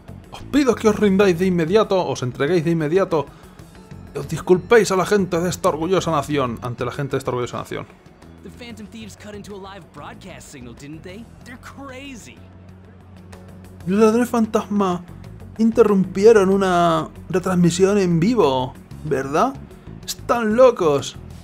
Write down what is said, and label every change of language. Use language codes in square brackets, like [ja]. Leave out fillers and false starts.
[es] Os pido que os rindáis de inmediato, os entreguéis de inmediato, y os disculpéis a la gente de esta orgullosa nación, ante la gente de esta orgullosa nación. [en] Los Phantom Thieves cut into a live broadcast signal, didn't they? They're crazy. [es] Los ladrones fantasma interrumpieron una retransmisión en vivo, ¿verdad? Están locos.